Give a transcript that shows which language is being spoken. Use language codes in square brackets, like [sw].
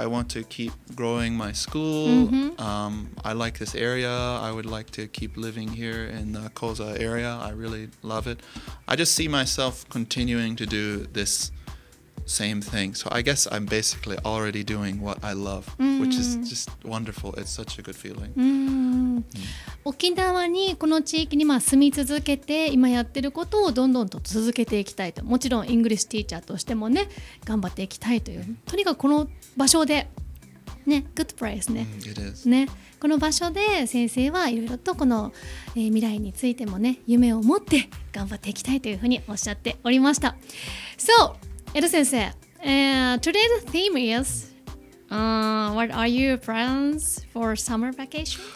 [en] I want to keep growing my school. I like this area. I would like to keep living here in the Koza area. I really love it. I just see myself continuing to do this same thing. So I guess I'm basically already doing what I love, which is just wonderful. It's such a good feeling. [ja] 沖縄にこの地域にまあ住み続けて今やってることをどんどんと続けていきたいと。もちろんイングリッシュティーチャーとしてもね、頑張っていきたいという。とにかくこの場所でね、 [en] good place [ja] ね。 [en] It is. [ja] ね、この場所で先生はいろいろとこの、未来についてもね、夢を持って頑張っていきたいというふうにおっしゃっておりました。 [en] So,江戸先生、today's theme is, what are your plans for summer vacation?